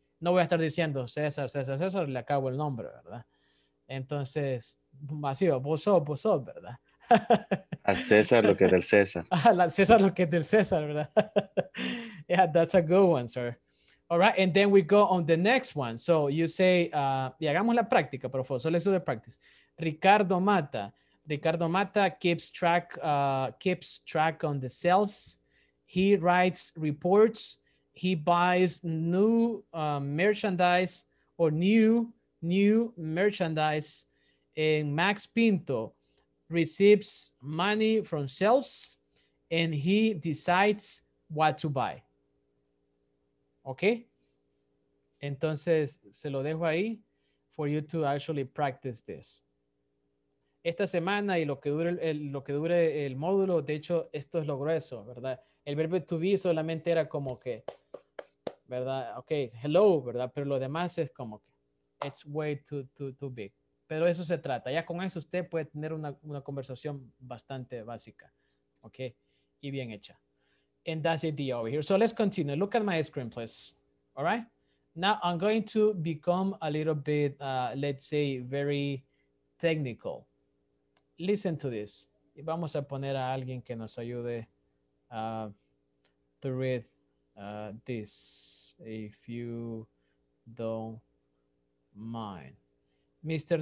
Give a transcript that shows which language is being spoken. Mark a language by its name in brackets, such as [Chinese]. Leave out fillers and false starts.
[Spanish] No voy a estar diciendo César, César, César, le acabo el nombre, ¿verdad? Entonces, masivo, vos sos, ¿verdad? Al César lo que es del César. Al César lo que es del César, ¿verdad? [English] Yeah, that's a good one, sir. All right, and then we go on the next one. So you say, [Spanish] y hagamos la práctica, por favor, solo eso de practice. [English] Ricardo Mata. Ricardo Mata keeps track on the sales. He writes reports. He buys new merchandise or new merchandise. And Max Pinto receives money from sales and he decides what to buy. Okay? [Spanish] Entonces, se lo dejo ahí [English] for you to actually practice this. [Spanish] Esta semana y lo que dure el módulo, de hecho, esto es lo grueso, ¿verdad? El verbo to be solamente era como que, ¿verdad? Okay, hello, ¿verdad? Pero lo demás es como que, [English] it's way too big. [Spanish] Pero eso se trata. Ya con eso usted puede tener una conversación bastante básica, okay, y bien hecha. [English] And that's it over here. So let's continue. Look at my screen, please. All right? Now I'm going to become a little bit, let's say, very technical. Listen to this. [Spanish] Y vamos a poner a alguien que nos ayude [English] to read this, if you don't mind. [Spanish] Mr.